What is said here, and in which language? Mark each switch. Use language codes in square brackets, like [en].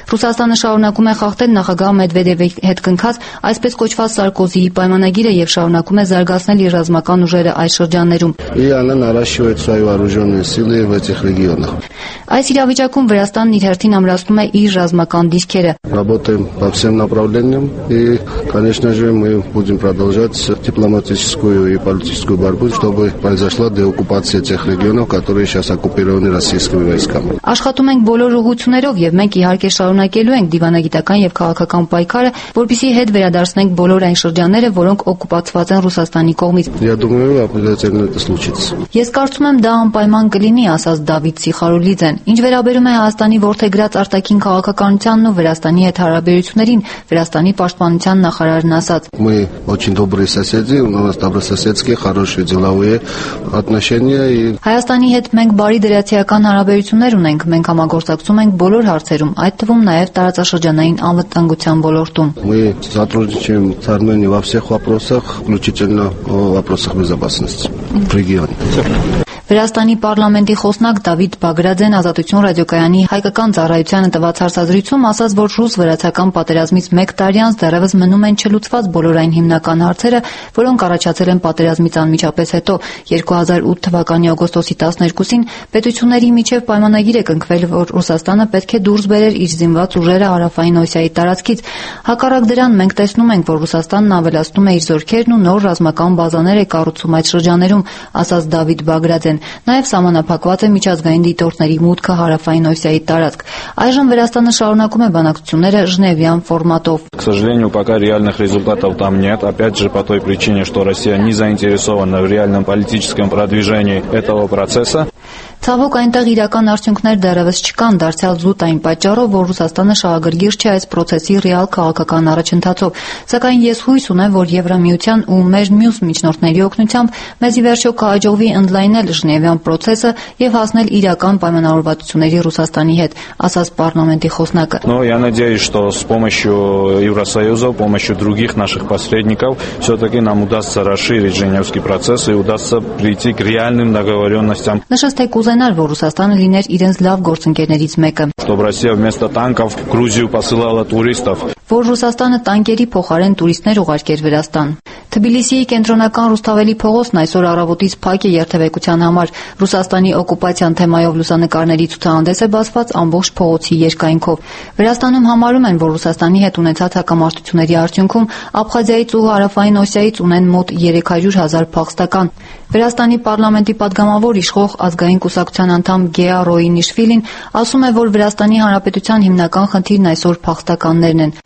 [hy] Ռուսաստանը շարունակում է խախտել նախագահ Մեդվեդևի հետ կնքած այսպես կոչված Սարկոզիի պայմանագիրը և շարունակում է զարգացնել ռազմական ուժերը այս շրջաններում։ Իանը նարաշիվեց այս վարուժոնը սիլի և այդ ռեգիոնը։ Այս իրավիճակում Վրաստանն իր հերթին ամրացնում է իր ռազմական դիրքերը։ [ru] Работаем по всем направлениям и, конечно же, мы будем продолжать дипломатическую и политическую борьбу, чтобы произошла деоккупация тех регионов, которые сейчас оккупированы российскими войсками։ [hy] Աշխատում ենք բոլոր ուղություններով եւ մենք իհարկե շարունակելու ենք դիվանագիտական եւ քաղաքական պայքարը, որպեսզի հետ վերադարձնենք բոլոր այն շրջանները, որոնք օկուպացված են Ռուսաստանի կողմից։ [ru] Я думаю, апелляция на это случится։ [hy] Ես կարծում եմ, դա անպայման կլինի, ասաց Դավիթ Սիխարուլի։ Ինչ վերաբերում է Հայաստանի որդեգրած արտաքին քաղաքականությանն ու Վրաստանի հետ հարաբերություններին, Վրաստանի պաշտպանության նախարարն ասաց. [ru] Мы очень добрые соседи, у нас добрососедские хорошие деловые отношения и [hy] Հայաստանի հետ մենք բարի դրացիական հարաբերություններ ունենք, մենք համագործակցում ենք բոլոր հարցերում, այդ թվում նաև տարածաշրջանային անվտանգության ոլորտում։ [ru] Мы сотрудничаем с Арменией во всех вопросах, включительно о вопросах безопасности в регионе. [hy] Վրաստանի պարլամենտի խոսնակ Դավիթ Բագրաձեն Ազատություն ռադիոկայանի հայկական ծառայությանը տված հարցազրույցում ասաց, որ ռուս-վրացական պատերազմից 1 տարի անց դեռևս մնում են չլուծված բոլոր այն հիմնական հարցերը, որոնք առաջացել են պատերազմից անմիջապես հետո 2008 թվականի օգոստոսի 12-ին պետությունների միջև պայմանագիր է կնքվել, որ Ռուսաստանը պետք է դուրս բերեր իր զինված ուժերը Հարավային Օսիայի տարածքից։ Հակառակ դրան մենք տեսնում ենք, որ Ռուսաստանն ավելացնում է իր զորքերն ու նոր ռազմական բազաներ է կառուցում այդ շրջաններում, ասաց Դավիթ Բագրաձեն։ Նաև սահմանափակված է միջազգային դիտորդների մուտքը Հարավային Օսիայի տարածք։ Այժմ Վրաստանը շարունակում է բանակցությունները Ժնևյան ֆորմատով։ [ru] К сожалению, пока реальных результатов там нет, опять же по той причине, что Россия не заинтересована в реальном политическом продвижении этого процесса. [hy] Ցավոք, այնտեղ իրական արդյունքներ դեռևս չկան, դարձյալ զուտ այն պատճառով, որ Ռուսաստանը շահագրգիռ չէ այս պրոցեսի ռեալ քաղաքական առաջընթացով։ Սակայն ես հույս ունեմ, որ Եվրամիության ու մեր մյուս միջնորդների օգնությամբ մեզ ի վերջո կհաջողվի ընդլայնել Ժնևյան պրոցեսը եւ հասնել իրական պայմանավորվածությունների Ռուսաստանի հետ, ասաց պարլամենտի խոսնակը։ [ru] Но я надеюсь, что с помощью Евросоюза, с помощью других наших посредников, всё-таки нам удастся расширить Женевский процесс и удастся прийти к реальным договорённостям. [hy] Ուզենալ, որ Ռուսաստանը լիներ իրենց լավ գործընկերներից մեկը։ [ru] Что Россия вместо танков в Грузию посылала туристов. [hy] Որ Ռուսաստանը տանկերի փոխարեն туристներ ուղարկեր Վրաստան։ Թբիլիսիի կենտրոնական Ռուսթավելի փողոցն այսօր առավոտից փակ է երթևեկության համար։ Ռուսաստանի օկուպացիան թեմայով լուսանկարների ցուցահանդեսը բացված ամբողջ փողոցի երկայնքով։ Վրաստանում համարում են, որ Ռուսաստանի հետ ունեցած հակամարտությունների արդյունքում Աբխազիայից ու Հարավային Օսիայից ունեն մոտ 300 000 փախստական։ Վրաստանի պարլամենտի պատգամավոր իշխող ազգային կուսակցության անդամ Գեա Ռոինիշվիլին ասում է, որ Վրաստանի հանրապետության հիմնական խնդիրն այսօր փախստականներն են։